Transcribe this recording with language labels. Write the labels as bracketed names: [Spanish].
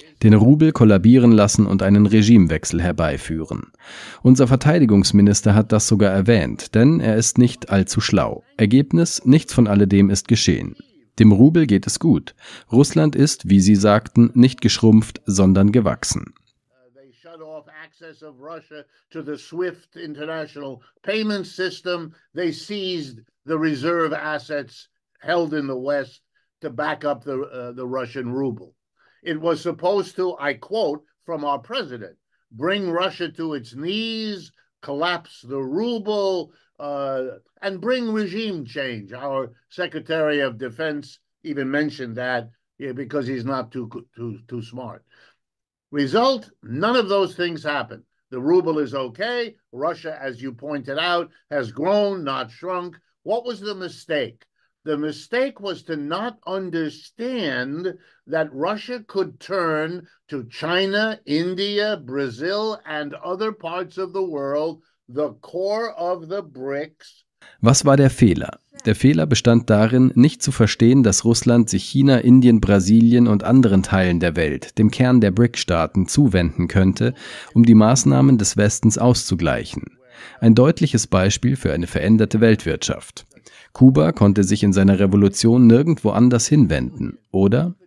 [German] Den Rubel kollabieren lassen und einen Regimewechsel herbeiführen. Unser Verteidigungsminister hat das sogar erwähnt, denn er ist nicht allzu schlau. Ergebnis: Nichts von alledem ist geschehen. Dem Rubel geht es gut. Russland ist, wie Sie sagten, nicht geschrumpft, sondern gewachsen. [English] They shut off access of Russia to the SWIFT international payment system. They seized the reserve assets held in the West to back up the Russian ruble. It was supposed to, I quote from our president, bring Russia to its knees, collapse the ruble and bring regime change. Our Secretary of Defense even mentioned that, yeah, because he's not too smart. Result, none of those things happen. The ruble is okay. Russia, as you pointed out, has grown, not shrunk. What was the mistake? The mistake was to not understand that Russia could turn to China, India, Brazil, and other parts of the world, the core of the BRICS. [German] Was war der Fehler? Der Fehler bestand darin, nicht zu verstehen, dass Russland sich China, Indien, Brasilien und anderen Teilen der Welt, dem Kern der BRICS-Staaten, zuwenden könnte, um die Maßnahmen des Westens auszugleichen. Ein deutliches Beispiel für eine veränderte Weltwirtschaft. Kuba konnte sich in seiner Revolution nirgendwo anders hinwenden, oder?